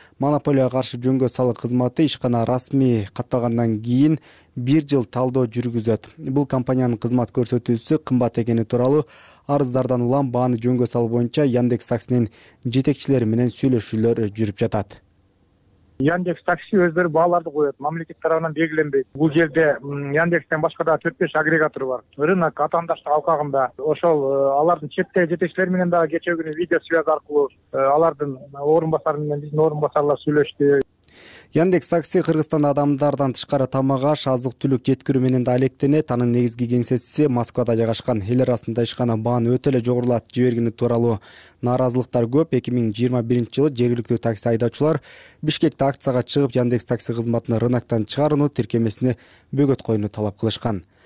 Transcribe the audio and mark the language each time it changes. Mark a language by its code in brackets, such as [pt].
[ky] Монополияга каршы жөнгө салуу кызматы ишкана расмий катталгандан кийин бир жыл талдоо жүргүзөт. Бул компаниянын кызмат көрсөтүүсү кымбат экени тууралуу арыздардан улам бааны жөнгө салуу боюнча Yandex таксинин жетекчилери менен сүйлөшүүлөр жүрүп жатат. [kk] Яндекс такси өздері бағаларды қойады. Мемлекет тарапынан белгіленбейді. Бұл жерде Яндекстен басқа да 4-5 агрегатор бар. Рынок атандаштық алқағында. Ошол алардың шеттегі жетекшілерменен дағы кешегі күні видеосвязь арқылы алардың орынбасарымен біздің орынбасарлар сөйлесті. [ky] Яндекс такси Кыргызстан адамдардан тышкары тамага, азык түлүк жеткирүү менен да алектенет. Анын негизги кеңсеси Москвада жайгашкан. Эл арасында ишкана баан өтө эле жогорулатып жибергени тууралуу нааразылыктар көп. 2021 жылы жергиликтүү такси айдоочулар Бишкекте акцияга чыгып, Яндекс такси кызматын рынактан чыгарууну, тиркемесине бөгөт коюуну талап кылышкан.